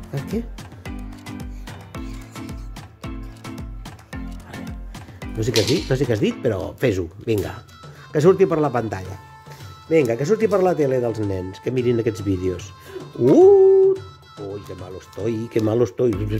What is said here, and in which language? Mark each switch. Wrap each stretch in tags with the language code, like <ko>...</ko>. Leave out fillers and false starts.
<es>¿Qué? No sé qué has dicho, pero</es> <ca>fes-ho.</ca> <es>Venga,</es> <ca>que surti per la pantalla.</ca> <es>Venga,</es> <ca>que surti per la tele dels nens, que mirin aquests vídeos.</ca> <es>Uy, qué malo estoy, qué malo estoy.</es>